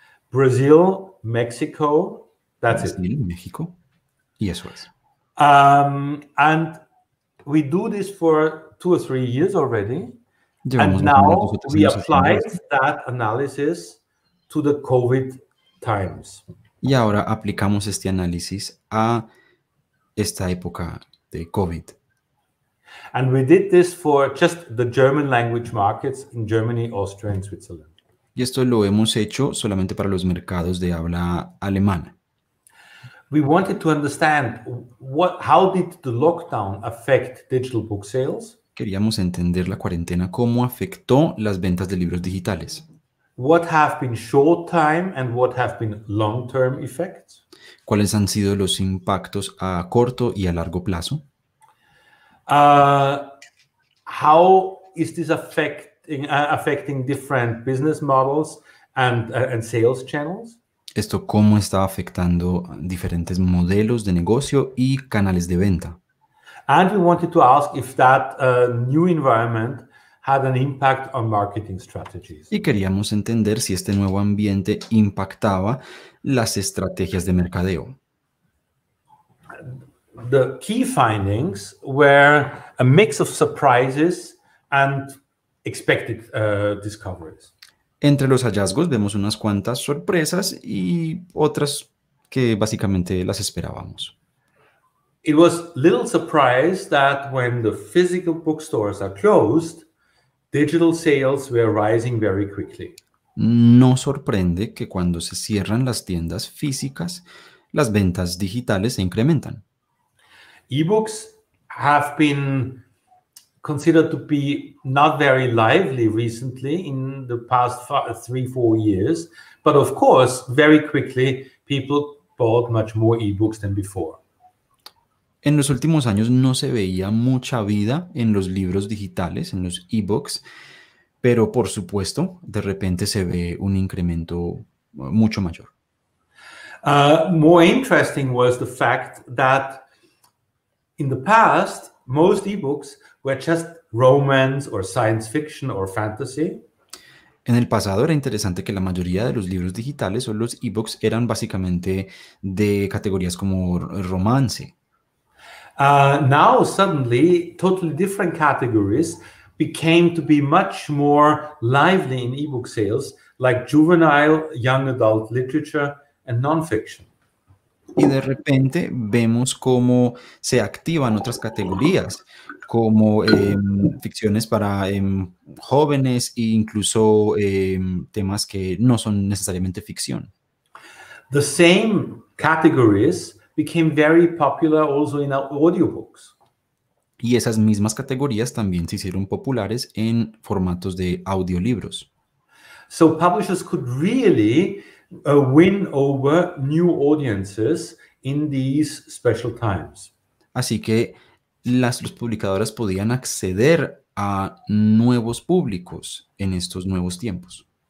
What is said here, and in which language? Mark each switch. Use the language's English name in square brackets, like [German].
[English] Brazil, Mexico, that's [Spanish] Brasil, [English] it. [Spanish] México. Y eso es. [English] And we do this for 2 or 3 years already. [Spanish] Llevamos [English] and now we applied that analysis to the COVID times. [Spanish] Y ahora aplicamos este análisis a esta época de COVID. [English] And we did this for just the German language markets in Germany, Austria, and Switzerland. [Spanish] Y esto lo hemos hecho solamente para los mercados de habla alemana. [English] We wanted to understand how did the lockdown affect digital book sales? [Spanish] Queríamos entender la cuarentena cómo afectó las ventas de libros digitales. [English] What have been short time and what have been long term effects? [Spanish] ¿Cuáles han sido los impactos a corto y a largo plazo? [English] How is this affecting different business models and sales channels. [Spanish] Esto cómo está afectando diferentes modelos de negocio y canales de venta. [English] And we wanted to ask if that new environment had an impact on marketing strategies. [Spanish] Y queríamos entender si este nuevo ambiente impactaba las estrategias de mercadeo. [English] The key findings were a mix of surprises and expected discoveries. [Spanish] Entre los hallazgos vemos unas cuantas sorpresas y otras que básicamente las esperábamos. [English] It was little surprise that when the physical bookstores are closed, digital sales were rising very quickly. [Spanish] No sorprende que cuando se cierran las tiendas físicas, las ventas digitales se incrementan. [English] E-books have been considered to be not very lively recently in the past 3-4 years, but of course, very quickly, people bought much more e-books than before. [Spanish] En los últimos años no se veía mucha vida en los libros digitales, en los e-books, pero por supuesto, de repente se ve un incremento mucho mayor. [English] More interesting was the fact that in the past, most e-books were just romance or science fiction or fantasy. [Spanish] En el pasado era interesante que la mayoría de los libros digitales o los e-books eran básicamente de categorías como romance. [English] Now suddenly totally different categories became to be much more lively in ebook sales, like juvenile, young adult literature and nonfiction. [Spanish] Y de repente vemos cómo se activan otras categorías, como ficciones para jóvenes e incluso temas que no son necesariamente ficción. [English] The same categories became very popular also in audiobooks. [Spanish] Y esas mismas categorías también se hicieron populares en formatos de audiolibros. [English] So publishers could really win over new audiences in these special times. [Spanish] Así que las publicadoras podían acceder a nuevos públicos en estos nuevos tiempos.